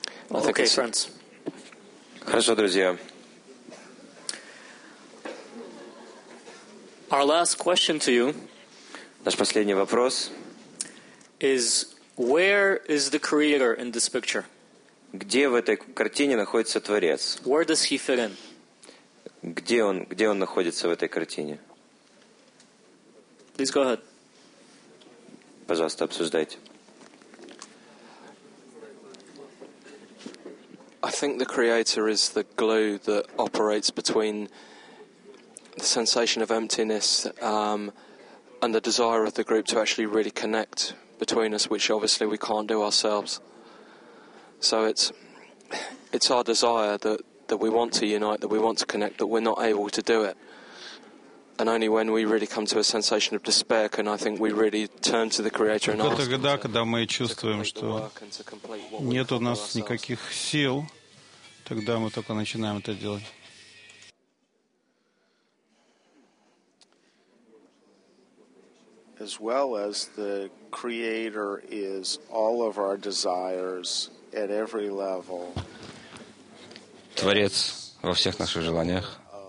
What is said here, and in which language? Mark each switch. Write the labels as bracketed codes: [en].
[en] I think okay, friends. [ru] Хорошо, друзья. [en] Our last question to you. [ru] Наш последний вопрос. [en] Is where is the Creator in this picture? [ru] Где в этой картине находится Творец? [en] Where does he fit in? [ru] Где он находится в этой картине? [en] Please go ahead. [ru] Пожалуйста, обсуждайте. [en] I think the Creator is the glue that operates between the sensation of emptiness and the desire of the group to actually really connect between us, which obviously we can't do ourselves. So it's our desire that we want to unite, that we want to connect, that we're not able to do it. And only when we really come to a sensation of despair can I think we really turn to the Creator and ask him to complete the work and to complete what we call ourselves. And when we feel that there is no strength, then we start to do it. As well as the Creator is all of our desires at every level. [ru] Творец во всех наших желаниях.